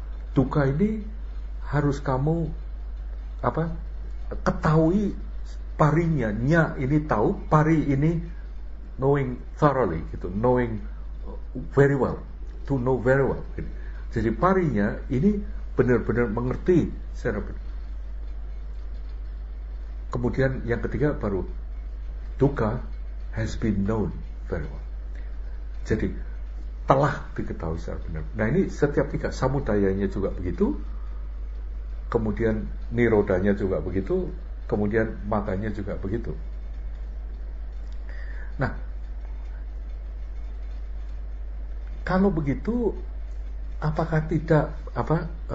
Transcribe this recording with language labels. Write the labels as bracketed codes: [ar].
[id] Duka ini harus kamu apa, ketahui parinya, nya ini tahu, pari ini [en] knowing thoroughly, [id] gitu, [en] knowing very well, to know very well. [id] Gitu. Jadi parinya ini benar-benar mengerti secara benar. Kemudian yang ketiga baru, duka [en] has been known very well. [id] Jadi telah diketahui secara benar. Nah ini setiap tiga, samudayanya juga begitu, kemudian nirodanya juga begitu, kemudian matanya juga begitu. Nah, kalau begitu, apakah tidak apa?